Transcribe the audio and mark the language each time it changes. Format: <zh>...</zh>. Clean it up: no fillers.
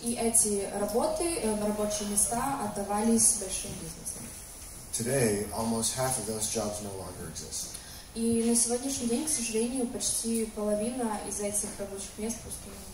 <ru>И эти работы, рабочие места отдавались большим бизнесам.</ru> <en>Today, almost half of those jobs no longer exist.</en> <ru>И на сегодняшний день, к сожалению, почти половина из этих рабочих мест просто.</ru>